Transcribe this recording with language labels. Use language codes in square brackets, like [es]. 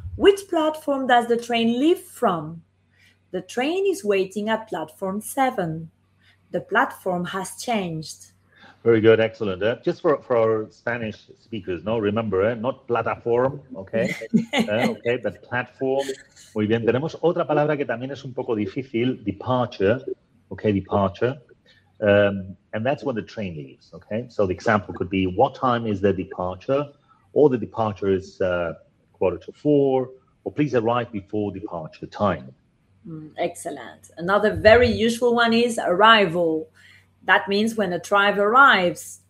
[en] Which platform does the train leave from? The train is waiting at platform 7. The platform has changed. Very good. Excellent. Just for our Spanish speakers, no, remember, not plataform, okay? okay, but platform. [es] Muy bien. Tenemos otra palabra que también es un poco difícil, departure. [en] Okay, departure. And that's when the train leaves, okay? So the example could be, what time is the departure? Or the departure is 3:45, or please arrive before departure time. Excellent. Another very useful one is arrival. That means when a train arrives.